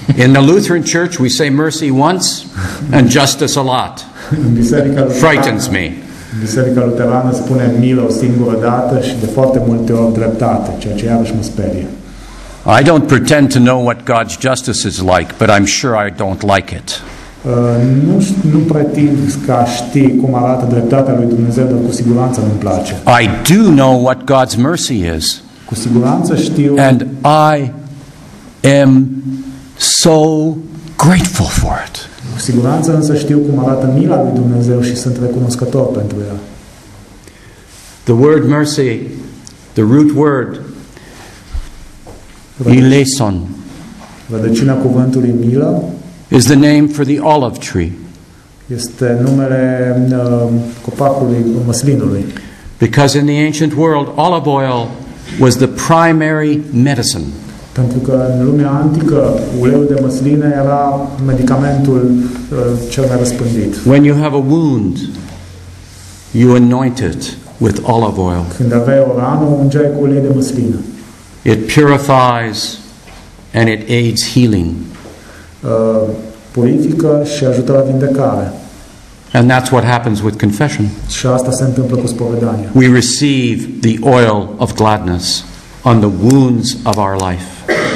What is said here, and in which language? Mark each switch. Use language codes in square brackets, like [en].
[en] In the Lutheran Church, we say mercy once and justice a lot. [ro] În Biserica Luterană, [en] frightens me. [ro] Biserica Luterană spune milă o singură dată și de foarte multe ori dreptate, ceea ce iarăși mă sperie. [en] I don't pretend to know what God's justice is like, but I'm sure I don't like it. [ro] Nu pretind ca știi cum arată dreptatea lui Dumnezeu, dar cu siguranță nu-mi place. [en] I do know what God's mercy is. [ro] Cu siguranță știu. [en] And I am so grateful for it. [ro] Cu siguranță însă știu cum arată mila lui Dumnezeu și sunt recunoscător pentru ea. [en] The word mercy, the root word, Eleison, [ro] rădăcina cuvântului milă, [en] is the name for the olive tree. [ro] Este numele copacului măslinului. [en] Because in the ancient world, olive oil was the primary medicine. [ro] Pentru că în lumea antică, uleiul de măsline era medicamentul cel mai răspândit. [en] When you have a wound, you anoint it with olive oil. [ro] Când aveai o rană, ungeai cu ulei de măsline. [en] It purifies and it aids healing. [ro] Purifică și ajută la vindecare. [en] And that's what happens with confession. [ro] Și asta se întâmplă cu spovedania. [en] We receive the oil of gladness on the wounds of our life.